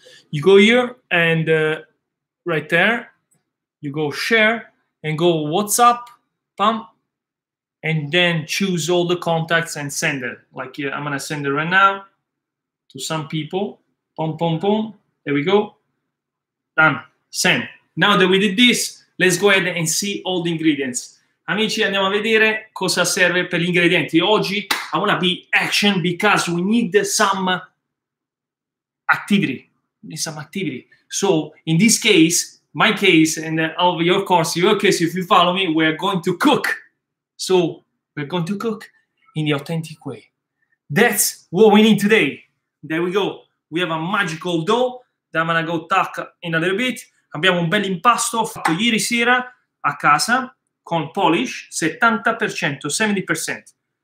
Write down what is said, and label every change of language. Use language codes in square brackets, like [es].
[en] You go here and right there. You go share and go WhatsApp, pump, and then choose all the contacts and send it. Like here, I'm going to send it right now to some people. Pom, pom, pom. There we go. Done. Send. Now that we did this, let's go ahead and see all the ingredients. [it] Amici, andiamo a vedere cosa serve per gli ingredienti. Oggi [en] I want to be action because we need some activity. We need some activity. So in this case, my case, and of your course, your case, if you follow me, we're going to cook. So we're going to cook in the authentic way. That's what we need today. There we go. We have a magical dough that I'm going to go tuck in a little bit. [it] Abbiamo un bel impasto fatto ieri sera a casa con polish, 70%.